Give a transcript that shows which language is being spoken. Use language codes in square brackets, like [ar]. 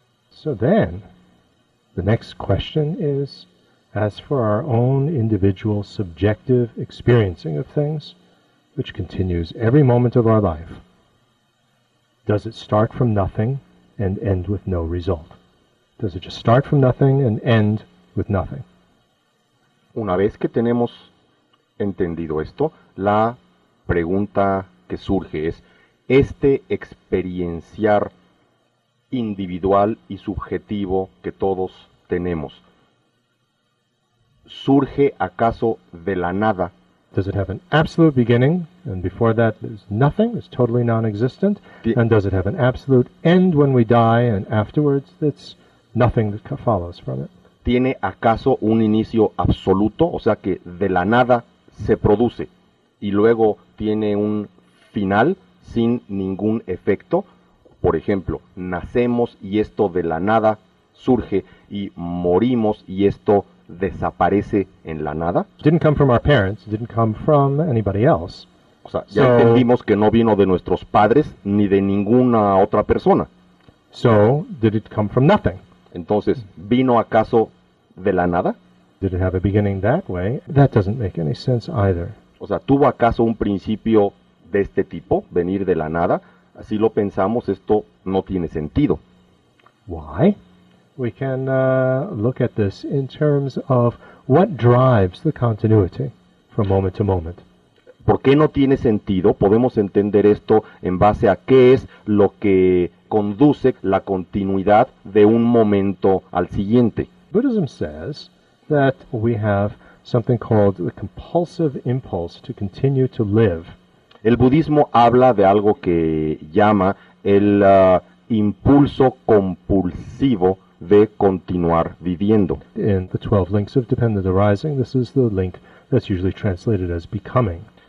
[en] So then, the next question is, as for our own individual subjective experiencing of things, which continues every moment of our life, does it start from nothing and end with no result? Does it just start from nothing and end with nothing? [es] Una vez que tenemos entendido esto, la pregunta que surge es, este experienciar individual y subjetivo que todos tenemos, ¿surge acaso de la nada [en] Does it have an absolute beginning, and before that there's nothing, it's totally non-existent? And does it have an absolute end when we die, and afterwards it's nothing that follows from it? [es] ¿Tiene acaso un inicio absoluto, o sea que de la nada se produce, y luego tiene un final sin ningún efecto? Por ejemplo, nacemos y esto de la nada surge, y morimos y esto desaparece en la nada. [en] Didn't come from our parents, didn't come from anybody else. [es] O sea, ya entendimos que no vino de nuestros padres ni de ninguna otra persona. [en] So, did it come from nothing? [es] Entonces, ¿vino acaso de la nada? [en] Did it have a beginning that way? That doesn't make any sense either. [es] O sea, ¿tuvo acaso un principio de este tipo, venir de la nada? Si lo pensamos, esto no tiene sentido. [en] Why? We can look at this in terms of what drives the continuity from moment to moment. [es] ¿Por qué no tiene sentido? Podemos entender esto en base a qué es lo que conduce la continuidad de un momento al siguiente. [en] Buddhism says that we have something called the compulsive impulse to continue to live. [es] El budismo habla de algo que llama el impulso compulsivo de continuar viviendo. [en] In the 12 links of dependent arising, this is the link that's usually translated as becoming.